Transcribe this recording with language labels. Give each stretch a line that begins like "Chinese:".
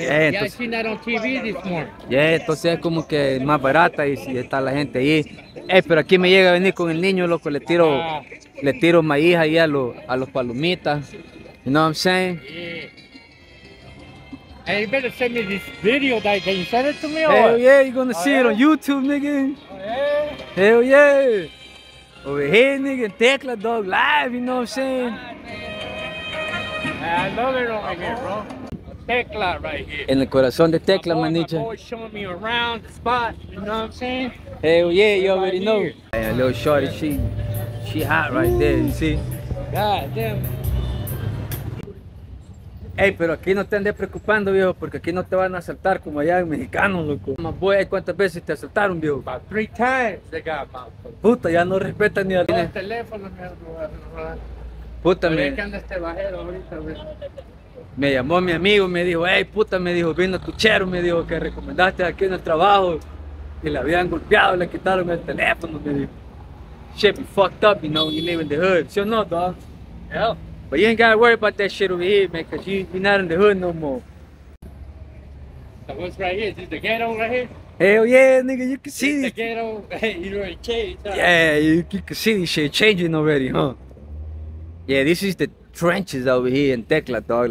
English: Yeah, entonces, I seen that on TV this morning.
Spanish: Yeah, entonces es como que es más barata y si está la gente ahí. Pero aquí me llega a venir con el niño, loco, le tiro maíz ahí a los palomitas.
English: You know what I'm saying? Yeah. Hey, you better send me this video, like, can you send it to me? Hell or? Yeah, you're gonna see it on YouTube, nigga. Oh, yeah? Hell yeah. Over here, nigga, Tecla Dog live, you know what I'm saying? Yeah, I love it over here, bro. Tecla right here.
Spanish: En el corazón de Tecla, manicha.
English: My boy showing me around the spot, you know what I'm saying? Hell yeah, you already know. Hey, a little shorty, she hot right there, you see? God damn.
Spanish: Ey, pero aquí no te andes preocupando, viejo, porque aquí no te van a asaltar como allá en Mexicano, loco. Boy, ¿cuántas veces te asaltaron, viejo? About 3 times they got my... Puta, ya no respetan ni a... Los teléfonos, mierda. Puta, me... ¿Qué anda este bajero ahorita, viejo? Me llamó mi amigo, me dijo, ey, puta, me dijo, vino tu chero, me dijo, que recomendaste aquí en el trabajo. Y le habían golpeado, le quitaron el teléfono, me dijo.
English: Shit, be fucked up, you know, you live in the hood.
Spanish: ¿Sí o no, dog?
English: Yeah. But you ain't gotta worry about that shit over here, man, cause you're not in the hood no more. So what's right here? Is this the ghetto right here? Hell yeah, nigga, you can see this. The ghetto, hey, you already changed, huh? Yeah, you can see this shit changing already, huh? Yeah, this is the trenches over here in Tecla, dog.